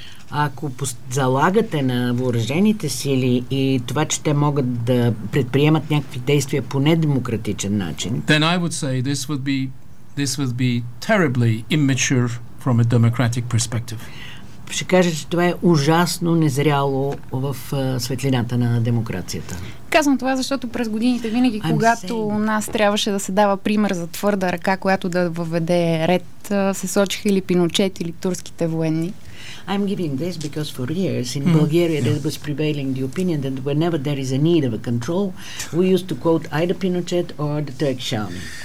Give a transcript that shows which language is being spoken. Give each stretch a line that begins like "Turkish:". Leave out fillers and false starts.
Bulgarian: ако залагате на въоръжените сили и това, че те могат да предприемат някакви действия по недемократичен начин,
English: then I would say this would be terribly immature from a democratic perspective.
Bulgarian: Ще кажа, че това е ужасно незряло в светлината на демокрацията. Казвам това, защото през годините винаги, когато нас трябваше да се дава пример за твърда ръка, която да въведе ред, се сочиха или Пиночет, или турските военни.
English: I'm giving this because for years in Bulgaria there was prevailing the opinion that whenever there is a need of a control, we used to quote either Pinochet or the Turkish army.